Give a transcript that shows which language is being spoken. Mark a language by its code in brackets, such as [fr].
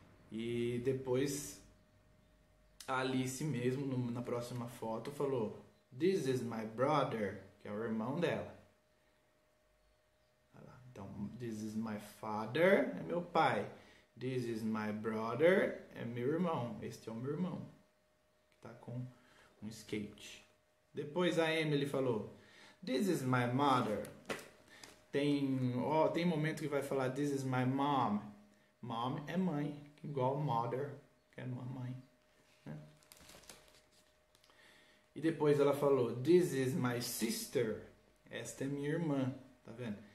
[pt] E depois, a Alice mesmo, na próxima foto, falou: [en] This is my brother, [pt] que é o irmão dela. [en] Então, this is my father, [pt] é meu pai. [en] This is my brother, [pt] é meu irmão. Este é o meu irmão, que tá com um skate. Depois a Emily falou, [en] This is my mother. [pt] Tem momento que vai falar, [en] This is my mom. [pt] Mom é mãe, igual mother, que é mamãe. E depois ela falou, [en] This is my sister. [pt] Esta é minha irmã, tá vendo?